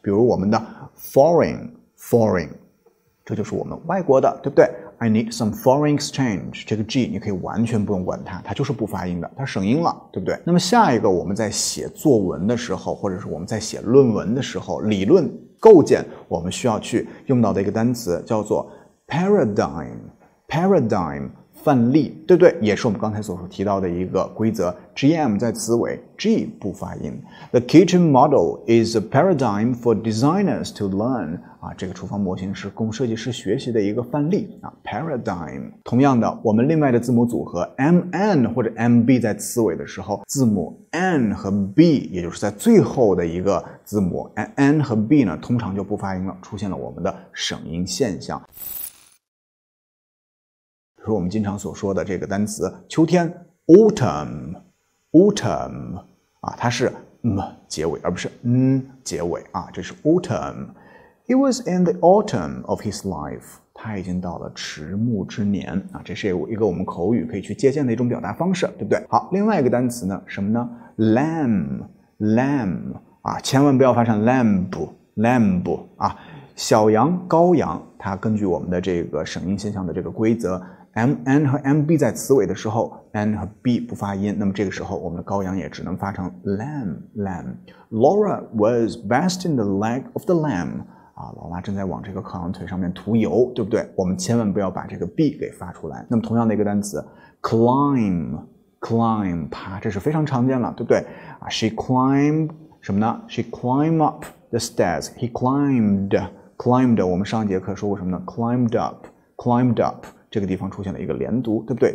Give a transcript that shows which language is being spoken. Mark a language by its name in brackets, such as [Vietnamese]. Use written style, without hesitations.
[Chinese] 比如我们的 foreign， 这就是我们外国的，对不对 ？ [English] I need some foreign exchange， [Chinese] 这个 G 你可以完全不用管它，它就是不发音的，它省音了，对不对？那么下一个，我们在写作文的时候，或者是我们在写论文的时候，理论构建我们需要去用到的一个单词叫做 paradigm。范例，对不对？也是我们刚才所提到的一个规则 ,GM 在词尾 ,G 不发音。 [English] The kitchen model is a paradigm for designers to learn. [Chinese] 这个厨房模型是供设计师学习的一个范例,paradigm。同样的，我们另外的字母组合 MN 或者 MB 在词尾的时候，字母 N 和 B, 也就是在最后的一个字母 ,N 和 B 呢，通常就不发音了，出现了我们的省音现象。比如我们经常所说的这个单词秋天 autumn 它是 m 结尾而不是 n 结尾这是 autumn。 [English] It was in the autumn of his life. [Chinese] 他已经到了迟暮之年啊，这是一个我们口语可以去借鉴的一种表达方式，对不对？好，另外一个单词呢，什么呢 ？Lamb， 啊，千万不要发成 lamb 啊，小羊、羔羊，它根据我们的这个省音现象的这个规则 ，m n 和 m b 在词尾的时候 ，n 和 b 不发音，那么这个时候我们的羔羊也只能发成 lamb。 [English] Laura was basting the leg of the lamb。 [Chinese] 啊，劳拉正在往这个烤羊腿上面涂油，对不对？我们千万不要把这个 b 给发出来。那么同样的一个单词 ，climb， 爬，这是非常常见了，对不对？ [English] 啊 ，she climbed [Chinese] 什么呢 [English] ？She climbed up the stairs. He climbed. [Chinese] 我们上一节课说过什么呢 ？ [English] Climbed up， [Chinese] 这个地方出现了一个连读，对不对？